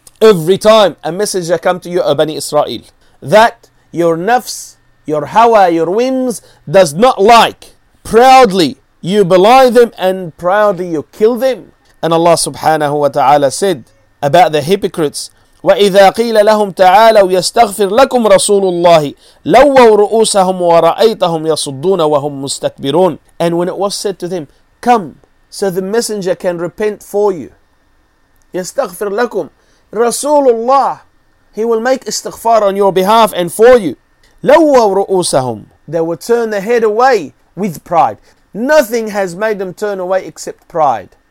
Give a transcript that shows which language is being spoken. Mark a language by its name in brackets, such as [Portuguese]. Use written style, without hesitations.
[English] Every time a messenger comes to you, O Bani Israel, that your nafs, your hawa, your whims does not like, proudly you belie them and proudly you kill them. And Allah subhanahu wa ta'ala said about the hypocrites, [Arabic] وَإِذَا قِيلَ لَهُمْ تَعَالَوْ يَسْتَغْفِرْ لَكُمْ رَسُولُ اللَّهِ لَوَّوْ رُؤُوسَهُمْ وَرَأَيْتَهُمْ يَصُدُّونَ وَهُمْ مُسْتَكْبِرُونَ. [English] And when it was said to them, come, so the messenger can repent for you. [Arabic] يَسْتَغْفِرْ لَكُمْ رَسُولُ اللَّهِ, [English] he will make istighfar on your behalf and for you. [Arabic] لووا رؤوسهم. [English] They would turn their head away with pride. Nothing has made them turn away except pride.